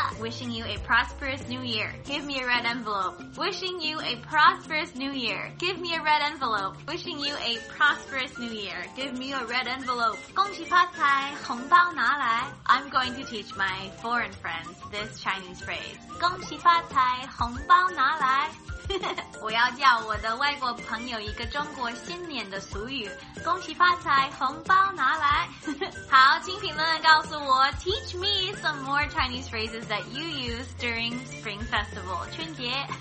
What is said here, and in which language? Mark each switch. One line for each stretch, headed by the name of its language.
English: Wishing you a prosperous New Year. Give me a red envelope. Wishing you a prosperous New Year. Give me a red envelope. Wishing you a prosperous New Year. Give me a red envelope.
Chinese: 恭喜发财，红包拿来。
English: I'm going to teach my foreign friends this Chinese phrase.
Chinese: 恭喜发财，红包拿来。我要叫我的外国朋友一个中国新年的俗语，恭喜发财，红包拿来。好，请评论告诉我
English: ，teach me some more Chinese phrases that you use during Spring Festival 春节。